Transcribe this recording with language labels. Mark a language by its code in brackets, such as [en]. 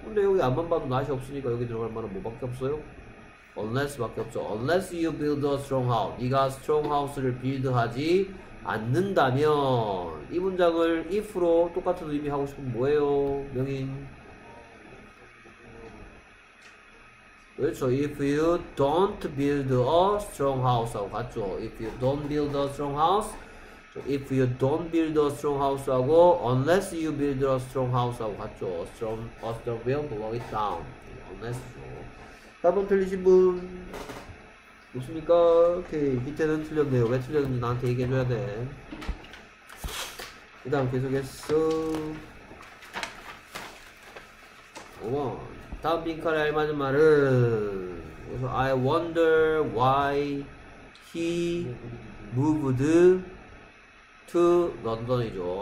[ko] 근데 여기 앞만 봐도 낫이 없으니까 여기 들어갈 만한 뭐밖에 없어요? unless밖에 없죠. [en] unless you build a strong house. [ko] 네가 strong house를 빌드하지 않는다면. 이 문장을 if로 똑같은 의미 하고 싶은 뭐예요? 명인. 그렇죠. [en] If you don't build a strong house하고 같죠. If you don't build a strong house, if you don't build a strong house하고 unless you build a strong house하고 같죠. A strong will blow it down. Unless. [ko] 답은 틀리신 분 있습니까? 오케이. 밑에는 틀렸네요. 왜 틀렸는지 나한테 얘기해줘야 돼. 그다음 계속했어. 5번. 다음 빈칸에 알맞은 말은, 그래서 [en] I wonder why he moved to London [ko] 이죠.